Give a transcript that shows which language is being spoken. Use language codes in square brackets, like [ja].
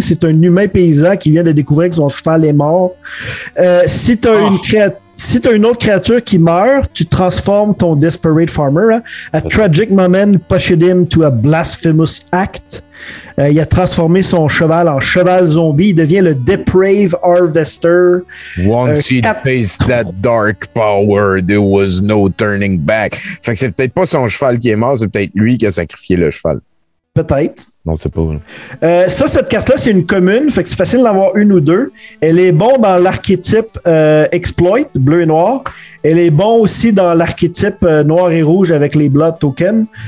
[fr] C'est un humain paysan qui vient de découvrir que son cheval est mort. Si tu as une autre créature qui meurt, tu transformes ton Desperate Farmer. [en] Hein, a tragic moment, pushed him to a blasphemous act. [fr] Il a transformé son cheval en cheval zombie. Il devient le Deprave Harvester. [en] Once he tasted that dark power, there was no turning back. [fr] Fait que c'est peut-être pas son cheval qui est mort, c'est peut-être lui qui a sacrifié le cheval. Peut-être. Non, c'est pas. Ça, cette carte-là, c'est une commune. Fait que c'est facile d'avoir une ou deux. Elle est bon dans l'archétype exploit, bleu et noir. Elle est bon aussi dans l'archétype noir et rouge avec les blood tokens.